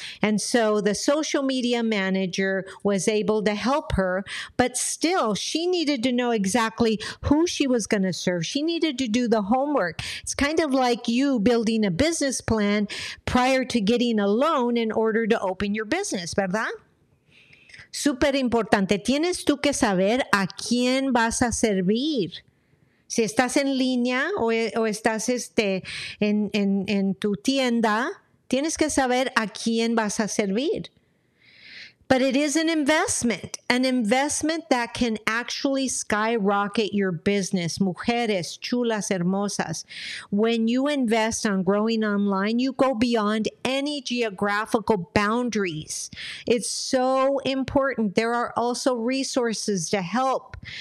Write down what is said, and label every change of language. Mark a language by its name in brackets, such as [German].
[English] And so the social media manager was able to help her, but still she needed to know exactly who she was going to serve. She needed to do the homework. It's kind of like you building a business plan prior to getting a loan in order to open your business, ¿verdad? [Spanish] Súper importante. Tienes tú que saber a quién vas a servir. Si estás en línea o estás en tu tienda, tienes que saber a quién vas a servir. [English] But it is an investment that can actually skyrocket your business. [Spanish] Mujeres, chulas, hermosas. [English] When you invest on growing online, you go beyond any geographical boundaries. It's so important. There are also resources to help.